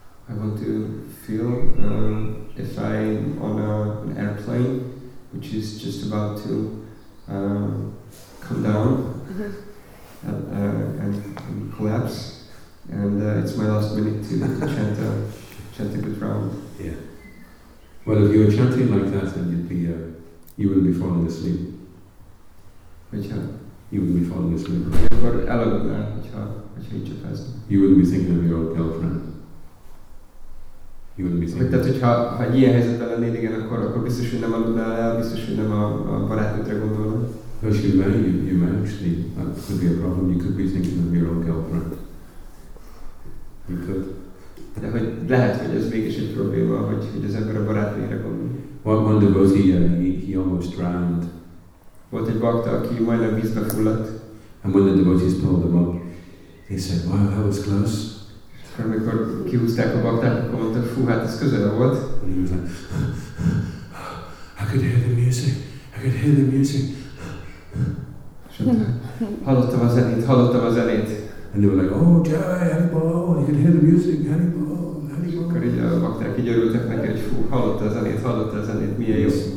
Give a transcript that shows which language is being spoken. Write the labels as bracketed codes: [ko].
[en] I want to feel if I'm on an airplane which is just about to come down and collapse, and it's my last minute to chant a good round. Yeah. Well, if you were chanting like that, then you wouldn't be falling asleep. [hu] Hogyha? [en] You wouldn't be falling asleep. [hu] Akkor elaludnál, hogyha így csapáznál. [en] You wouldn't be thinking of your old girlfriend. You wouldn't be thinking. [hu] Tehát, hogyha ilyen helyzetben lennél, igen, akkor biztos, hogy nem aludnál el, biztos, hogy nem a barátnődre gondolnál. [en] Because you may actually, that could be a problem. You could be thinking of your old girlfriend. You could. [hu] De hogy lehet, hogy ez mégis egy probléma, hogy az ember a barátnődre gondol. [en] One devotee, he almost drowned. [hu] Volt egy bakta, aki majdnem vízbe fulladt. [en] And when the devotees pulled him up, he said, "Wow, that was close." [hu] És akkor, amikor kihúzták a baktát, akkor mondta, "Fú, hát ez közel volt." [en] And he was like, "I could hear the music. I could hear the music." [hu] Hallottam a zenét. [en] And they were like, "Oh, Jai, Hari Bol. You could hear the music, Hari Bol, Hari Bol." [hu] Akkor így a bakták így örültek neki, hogy fú, hallotta a zenét, milyen jó.